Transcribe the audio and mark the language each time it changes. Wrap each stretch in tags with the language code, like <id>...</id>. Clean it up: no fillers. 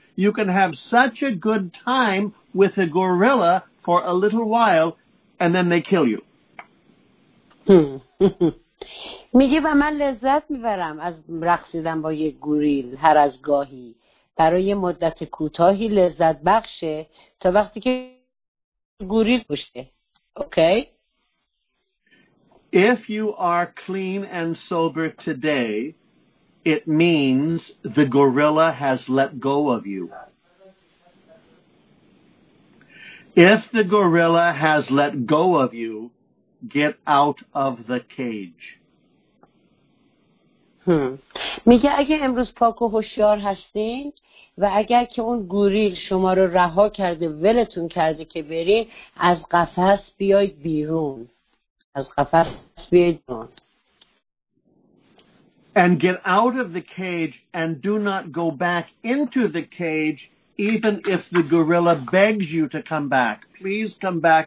<en>You can have such a good time with a gorilla for a little while and then they kill you.</en> <fa>میگه و من لذت میبرم از رقصیدن با یه گوریل هر از گاهی برای مدت کوتاهی لذت بخشه تا وقتی که گوریل بشه.</fa> <en>Okay? If you are clean and sober today, it means the gorilla has let go of you. If the gorilla has let go of you, get out of the cage.</en> <fa>میگه اگه امروز پاک و هوشیار هستین و اگر که اون گوریل شما رو رها کرده ولتون کرده که برین از قفس بیاید بیرون. از قفس بیاید بیرون.</fa> <en>And get out of the cage and do not go back into the cage. Even if the gorilla begs you to come back, please come back.</en>